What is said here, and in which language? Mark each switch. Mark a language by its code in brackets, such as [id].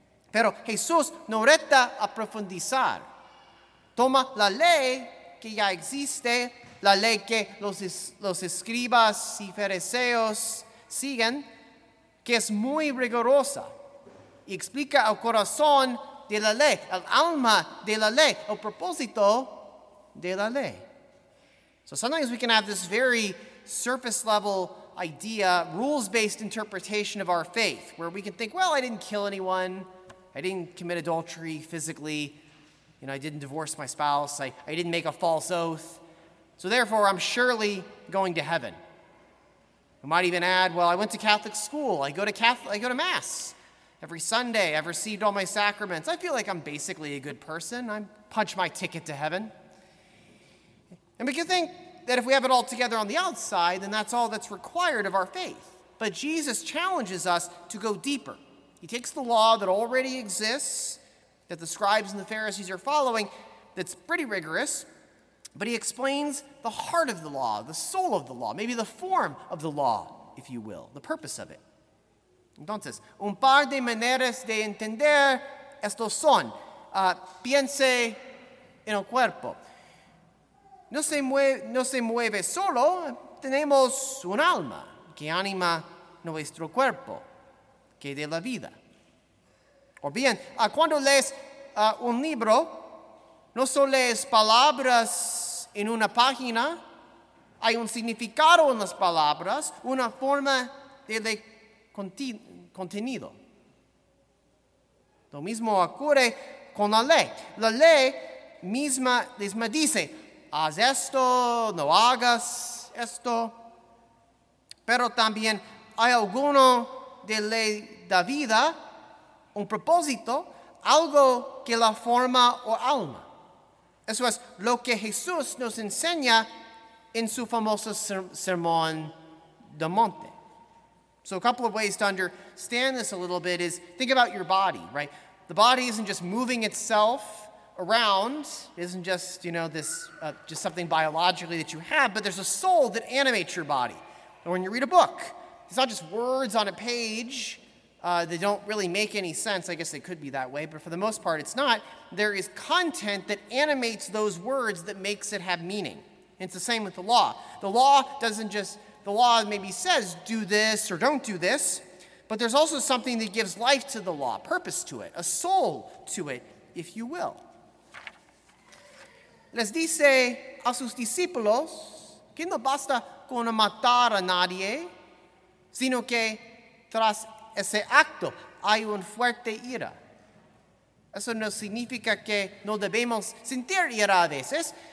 [es] Pero Jesús nos reta a profundizar. Toma la ley que ya existe, la ley que los escribas y fariseos siguen, que es muy rigurosa. Y explica el corazón de la ley, el alma de la ley, el propósito de la ley. [en] So sometimes we can have this very surface level idea, rules-based interpretation of our faith, where we can think, well, I didn't kill anyone, I didn't commit adultery physically, you know, I didn't divorce my spouse, I didn't make a false oath, so therefore I'm surely going to heaven. We might even add, well, I went to Catholic school, I go to Mass every Sunday, I've received all my sacraments, I feel like I'm basically a good person, I punch my ticket to heaven. And we can think that if we have it all together on the outside, then that's all that's required of our faith. But Jesus challenges us to go deeper. He takes the law that already exists, that the scribes and the Pharisees are following, that's pretty rigorous, but he explains the heart of the law, the soul of the law, maybe the form of the law, if you will, the purpose of it. [es] Entonces, un par de maneras de entender esto son, piense en el cuerpo. No se mueve solo, tenemos un alma que anima nuestro cuerpo, que de la vida. O bien, cuando lees un libro, no solo lees palabras en una página, hay un significado en las palabras, una forma de contenido. Lo mismo ocurre con la ley. La ley misma dice, haz esto, no hagas esto. Pero también hay alguno de la ley de vida, un propósito, algo que la forma o alma. Eso es lo que Jesús nos enseña en su famoso sermón del monte. [en] So a couple of ways to understand this a little bit is think about your body, right? The body isn't just moving itself around, isn't just, you know, this just something biologically that you have, but there's a soul that animates your body. And when you read a book, it's not just words on a page, they don't really make any sense. I guess they could be that way, but for the most part, it's not. There is content that animates those words that makes it have meaning. And it's the same with the law. The law maybe says do this or don't do this, but there's also something that gives life to the law, purpose to it, a soul to it, if you will. [es] Les dice a sus discípulos que no basta con matar a nadie, sino que tras ese acto hay una fuerte ira. Eso no significa que no debemos sentir ira a veces.